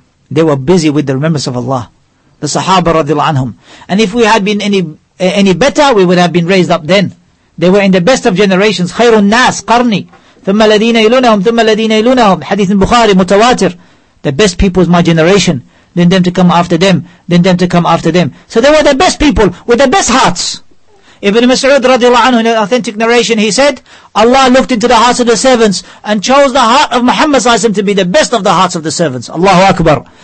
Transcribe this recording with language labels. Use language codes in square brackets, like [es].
[en] They were busy with the remembrance of Allah. The sahaba radhiyallahu anhum. And if we had been any better, we would have been raised up then. They were in the best of generations. [ar] خَيْرُ النَّاسِ قَرْنِي ثُمَّ الَّذِينَ يَلُونَهُمْ ثُمَّ الَّذِينَ يَلُونَهُمْ. [en] Hadith in Bukhari, mutawatir. the best people is my generation, then them to come after them, then them to come after them. So they were the best people with the best hearts. Ibn Mas'ud radiallahu anhu, in an authentic narration, he said, Allah looked into the hearts of the servants and chose the heart of Muhammad sallallahu alayhi wa sallam to be the best of the hearts of the servants. Allahu Akbar.